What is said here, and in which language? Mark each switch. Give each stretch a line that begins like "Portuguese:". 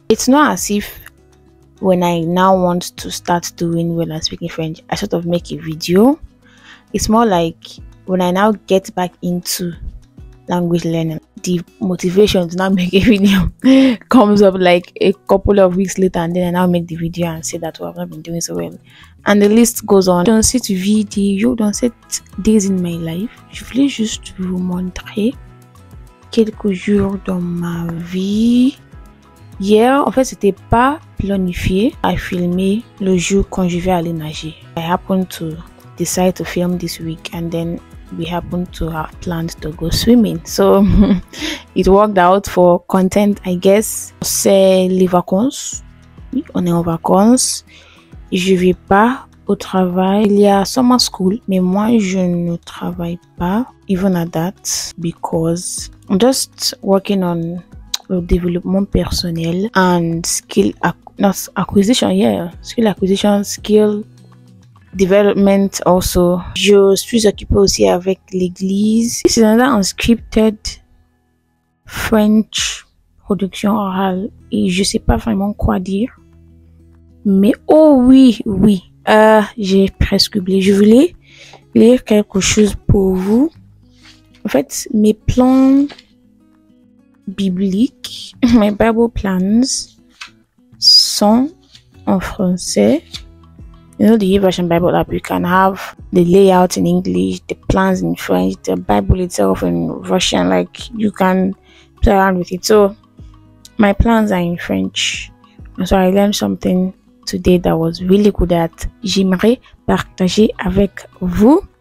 English: It's not as if when I now want to start doing well and speaking French, I sort of make a video. It's more like when I now get back into language learning, the motivation to now make a video comes up like a couple of weeks later, and then I now make the video and say that, oh, I've not been doing so well, and the list goes on.
French: Dans cette vidéo, dans cette
English: days in my life,
French: je voulais juste vous montrer quelques jours dans ma vie. Hier, en fait, c'était pas planifié à filmer le jour quand je vais aller nager.
English: I happened to decide to film this week, and then we happened to have planned to go swimming. So it worked out for content, I guess.
French: C'est les vacances. Oui, on est en vacances. Je vais pas au travail. Il y a
English: summer school,
French: mais moi, je ne travaille pas,
English: even at that, because I'm just working on development personnel and skill acquisition. Yeah, skill acquisition, skill development also.
French: Je suis occupé aussi avec l'église.
English: This is another unscripted French production orale.
French: Et je sais pas vraiment quoi dire. Mais oui. J'ai presque oublié. Je voulais lire quelque chose pour vous. En fait, mes plans bibliques, mes
English: Bible plans,
French: sont en français.
English: You know, the Version Bible app, you can have the layout in English, the plans in French, the Bible itself in Russian, like you can play around with it. So my plans are in French. And so I learned something today that was really good that
French: j'aimerais partager avec vous.